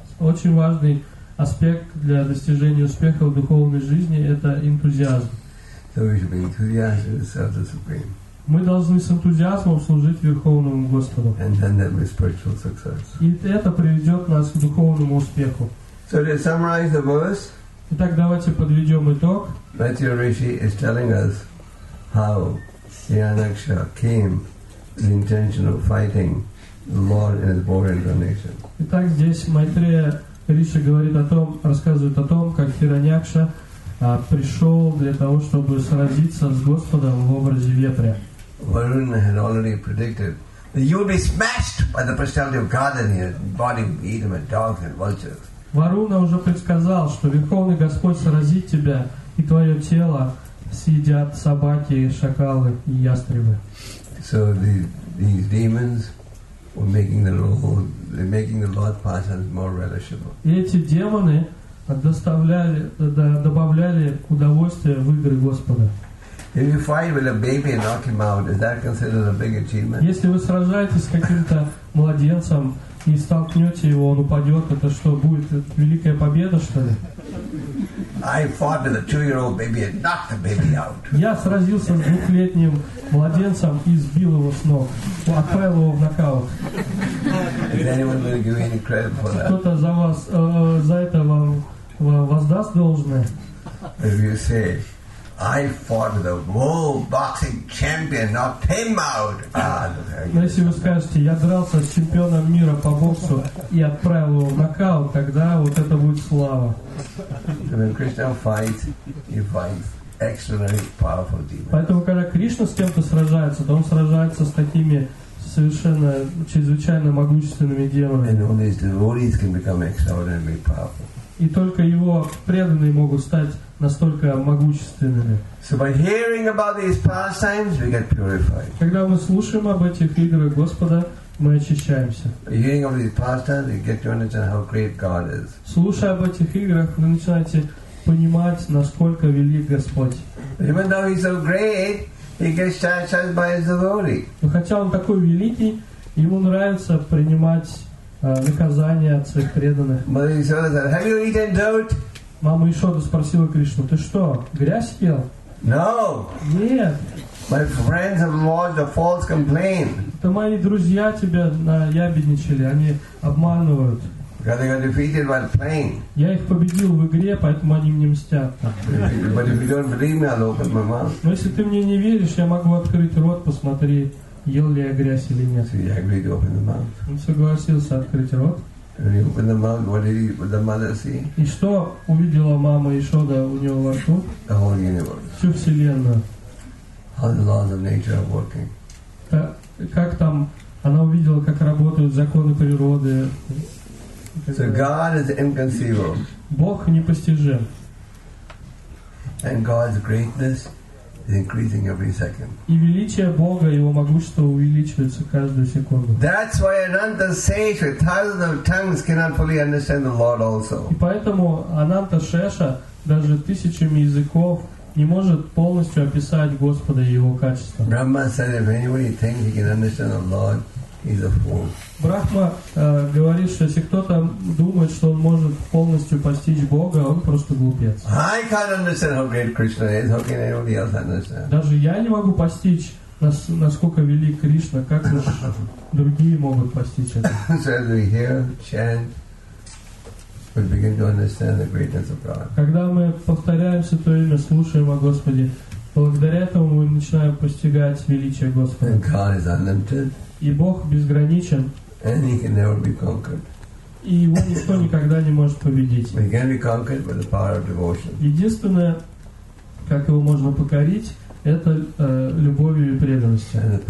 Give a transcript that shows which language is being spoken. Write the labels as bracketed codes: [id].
[ru] Очень важный аспект для достижения успеха в духовной жизни – это энтузиазм. [en] So we should be enthusiastic to serve the Supreme. [ru] Мы должны с энтузиазмом служить Верховному Господу. [en] And then that will be spiritual success. [ru] И это приведет нас к духовному успеху. [en] So to summarize the verse. [ru] Итак, давайте подведем итог. [en] Matthew Rishi is telling us how Hiranyaksha came with the intention of fighting the Lord in his born incarnation. [ru] Итак, здесь Майтрея Риши говорит о том, рассказывает о том, как Хираньякша пришел для того, чтобы сразиться с Господом в образе ветря. [en] Varuna had already predicted that you would be smashed by the personality of God and your body would eat him at dogs and vultures. [ru] Varuna уже предсказал, что Верховный Господь сразит тебя, и твое тело съедят собаки, шакалы и ястребы. [en] So these demons were making the Lord passions more relishable. [ru] И эти демоны добавляли удовольствие в игры Господа. [en] If you fight with a baby and knock him out, is that considered a big achievement? [ru] Если вы сражаетесь с каким-то младенцем и столкнете его, он упадет, это что, будет великая победа, что ли? [en] I fought with a 2-year-old baby and knocked the baby out. [ru] Я сразился с 2-летним младенцем и сбил его с ног, отправил его в нокаут. [en] Is anyone going to give you any credit for that? [ru] Кто-то за вас за это вам воздаст должное? [en] If you say, I fought with a world boxing champion, knocked him out. [ru] Но если вы скажете, я дрался с чемпионом мира по боксу и отправил его в нокаут, тогда вот это будет слава. [en] When Krishna fights, he fights extraordinary powerful demons. [ru] Поэтому когда Кришна с кем-то сражается, то он сражается с такими совершенно чрезвычайно могущественными демонами. [en] And only his devotees can become extraordinarily powerful. [ru] И только его преданные могут стать настолько могущественными. [en] So by hearing about these pastimes, we get purified. [ru] Когда мы слушаем об этих играх Господа, мы очищаемся. [en] By hearing of these pastimes, you get to understand how great God is. [ru] Слушая об этих играх, вы начинаете понимать, насколько велик Господь. [en] Even though he's so great, he gets chastised by his devotee. [ru] Но хотя он такой великий, ему нравится принимать наказания от своих преданных. [en] Mother Yashoda said, "Have you eaten dirt?" [ru] Мама Ишода спросила Кришну, ты что, грязь ел? [en] No. [ru] Нет. [en] My friends have lodged a false complaint. [ru] Это мои друзья тебя наябедничали, они обманывают. [en] They got defeated by playing. [ru] Я их победил в игре, поэтому они мне мстят. [en] But if you don't believe me, I'll open my mouth. [ru] Но если ты мне не веришь, я могу открыть рот, посмотри, ел ли я грязь или нет. [en] So he agreed to open the mouth. [ru] Он согласился открыть рот. [en] And he opened the mouth. What did the mother see? [ru] И что увидела мама Ишода у него во рту? [en] The whole universe. [ru] Всю вселенную. [en] How the laws of nature are working. [ru] Как там она увидела, как работают законы природы? [en] So God is inconceivable. [ru] Бог непостижим. [en] And God's greatness is increasing every second. [ru] И величие Бога, его могущество увеличивается каждую секунду. [en] That's why Ananta Sesh with thousands of tongues cannot fully understand the Lord also. [ru] И поэтому Ананта Шеша даже тысячами языков не может полностью описать Господа и его качества. [en] Brahma said, if anybody thinks he can understand the Lord, he's a fool. [ru] Брахма говорит, что если кто-то думает, что он может полностью постичь Бога, он просто глупец. [en] I can't understand how great Krishna is. How can anybody else understand? [ru] Даже я не могу постичь, насколько велик Кришна, как другие могут постичь это. [en] So as we hear, chant, we begin to understand the greatness of God. [ru] Когда мы повторяем Святое Имя, слушаем о Господе, благодаря этому мы начинаем постигать величие Господа. [en] God is unlimited. [ru] И Бог безграничен. [en] And he can never be conquered. [ru] И его никто никогда не может победить. [en] He can be conquered by the power of devotion. [ru] Единственное, как его можно покорить, это любовью и преданностью.